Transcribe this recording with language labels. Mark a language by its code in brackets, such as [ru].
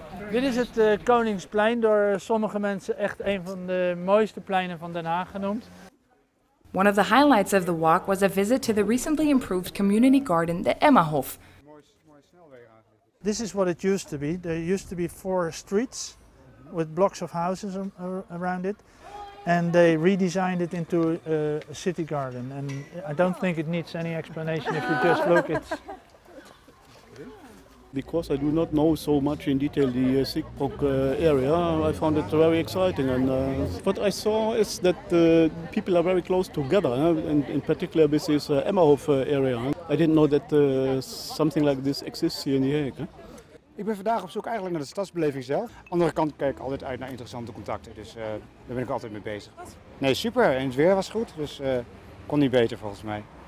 [nl] Dit is het Koningsplein, door sommige mensen echt een van de mooiste pleinen van Den Haag genoemd. [en] One of the highlights of the walk was a visit to the recently improved community garden, the Emmahof. This is what it used to be. There used to be four streets. with blocks of houses around it, and they redesigned it into a city garden. And I don't think it needs any explanation if you just look. It's because I do not know so much in detail the Segbroek area, I found it very exciting. And what I saw is that people are very close together, and in particular this is Emmerhof area. I didn't know that something like this exists here in The Hague. [nl] Ik ben vandaag op zoek eigenlijk naar de stadsbeleving zelf. Aan de andere kant kijk ik altijd uit naar interessante contacten, dus daar ben ik altijd mee bezig. Nee, super. En het weer was goed, dus kon niet beter volgens mij.